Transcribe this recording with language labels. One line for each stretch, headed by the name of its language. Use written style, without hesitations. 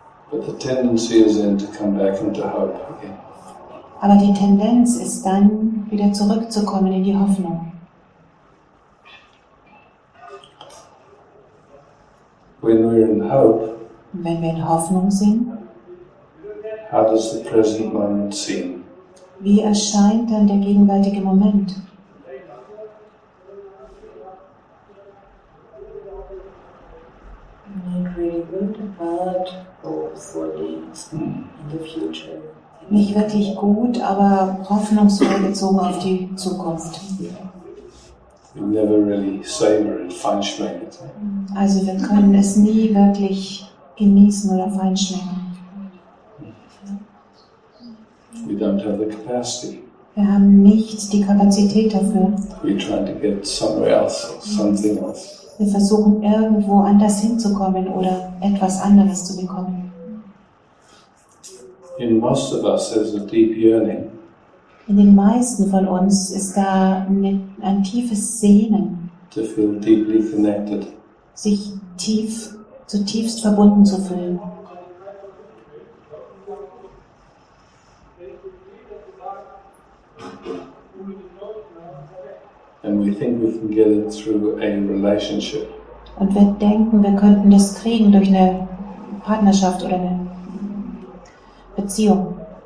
English: But the tendency is then to come back into hope again.
German: Aber die Tendenz ist dann, wieder zurückzukommen in die Hoffnung.
English: When we're in hope,
German: wenn wir in Hoffnung sind,
English: how does the present moment seem?
German: Wie erscheint dann der gegenwärtige Moment?
English: Not really good, but hopefully in the future.
German: Nicht wirklich gut, aber hoffnungsvoll bezogen auf die Zukunft.
English: Yeah. Never really savor it,
German: fein schmecken. Also wir können es nie wirklich genießen oder fein schmecken.
English: We don't have the capacity.
German: Wir haben nicht die Kapazität dafür.
English: We're trying to get somewhere else, something else.
German: Wir versuchen irgendwo anders hinzukommen oder etwas anderes zu bekommen.
English: In most of us there's a deep yearning.
German: In den meisten von uns ist da ein tiefes Sehnen.
English: To feel deeply connected.
German: Sich tief, zutiefst verbunden zu fühlen.
English: And we think we can get it through a relationship.
German: Und wir denken, wir könnten das kriegen durch eine Partnerschaft oder eine Beziehung.